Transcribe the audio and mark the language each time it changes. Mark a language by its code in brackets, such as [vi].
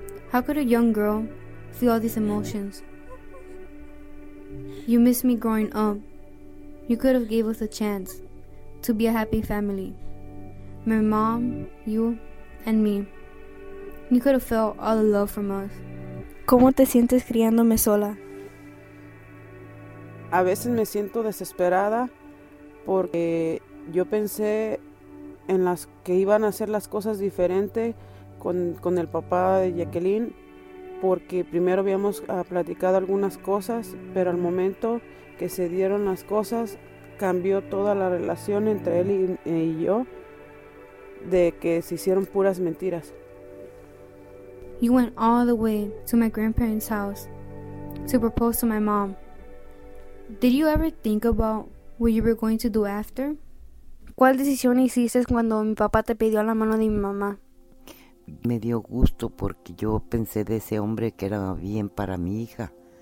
[en] How could a young girl feel all these emotions? You missed me growing up. You could have gave us a chance to be a happy family. My mom, you, and me. You could have felt all the love from us. [es] ¿Cómo te sientes criándome sola? A veces me siento desesperada porque yo pensé en las que iban a hacer las cosas diferente con el papá de Jacqueline, porque primero habíamos platicado algunas cosas, pero al momento que se dieron las cosas, cambió toda la relación entre él y yo, de que se hicieron puras mentiras. [en] You went all the way to my grandparents' house to propose to my mom. Did you ever think about what you were going to do after? [es] ¿Cuál decisión hiciste cuando mi papá te pidió la mano de mi mamá? Me dio gusto porque yo pensé de ese hombre que era bien para mi hija.